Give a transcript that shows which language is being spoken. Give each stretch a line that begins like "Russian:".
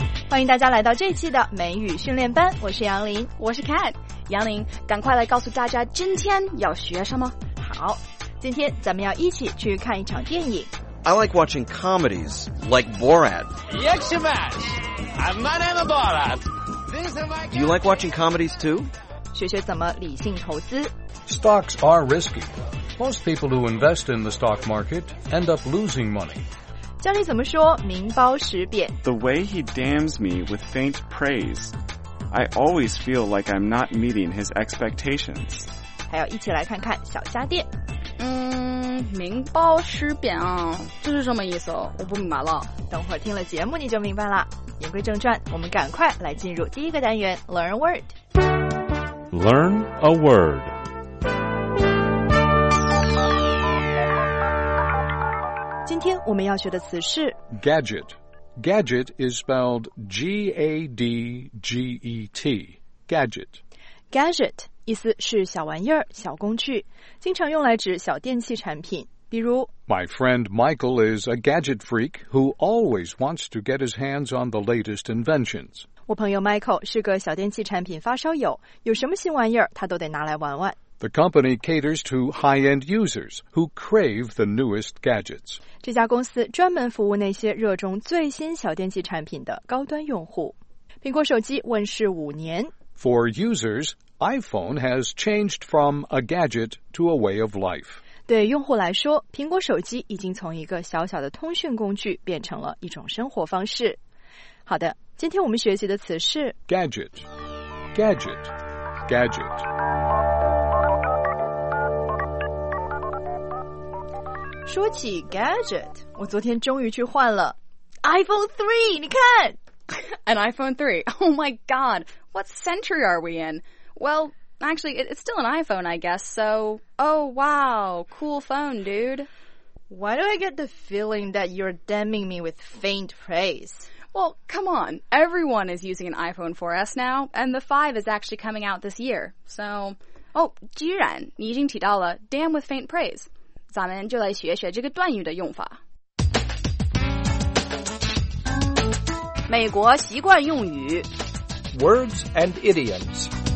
Chinese: 欢迎大家来到这期的美语训练班，我是杨林，我是 Cat。杨林，赶快来告诉大家今天要学什么。好，今天咱们要一起去看一场电影。
English: I like watching comedies like Borat. Yes, you match. My name is Borat. Do you like watching comedies too?
Chinese: 学学怎么理性投资。
English: Stocks are risky. Most people who invest in the stock market end up losing money.
Chinese: 教你怎么说名包实贬。
English: The way he damns me with faint praise, I always feel like I'm not meeting his expectations.
Chinese: 还要一起来看看小家电。名包实贬啊，这是什么意思？我不明白了。等会儿听了节目你就明白了。言归正传，我们赶快来进入第一个单元 Learn a Word。
English: Learn a Word。
Chinese: 今天我们要学的词是
English: Gadget。 Gadget is spelled G-A-D-G-E-T。 Gadget。
Chinese: Gadget意思是小玩意儿、小工具，经常用来指小电器产品，比如
English: My friend Michael is a gadget freak who always wants to get his hands on the latest inventions.
Chinese: 我朋友 Michael 是个小电器产品发烧友，有什么新玩意儿他都得拿来玩玩。
English: The company caters to high-end users who crave the newest gadgets.
Chinese: 这家公司专门服务那些热衷最新小电器产品的高端用户。苹果手机问世五年。
English: For users,iPhone has changed from a gadget to a way of life.
Chinese: 对用户来说，苹果手机已经从一个小小的通讯工具变成了一种生活方式。好的，今天我们学习的词是
English: gadget, gadget, gadget.
Chinese: 说起 gadget, 我昨天终于去换了 iPhone 3, 你看
English: An iPhone 3, oh my god, what century are we in? Well, actually, it's still an iPhone, I guess, so... Oh, wow, cool phone, dude. Why do I get the feeling that you're damning me with faint praise? Well, come on, everyone is using an iPhone 4S now, and the 5 is actually coming out this year, so...
Chinese: Oh, 既然你已经提到了
English: damn with faint praise,
Chinese: 咱们就来学学这个段语的用法。美国习惯用语
English: Words and idioms.